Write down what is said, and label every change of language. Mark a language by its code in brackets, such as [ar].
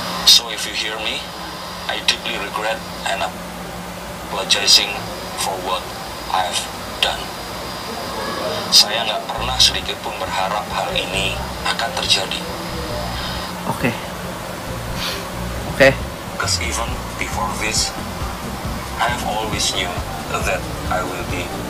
[en] So if you hear me, I deeply regret and apologizing for what I've done. [id] Saya nggak pernah sedikit pun berharap hal ini akan terjadi. Oke. [en] Because even before this, I've always knew that I will be.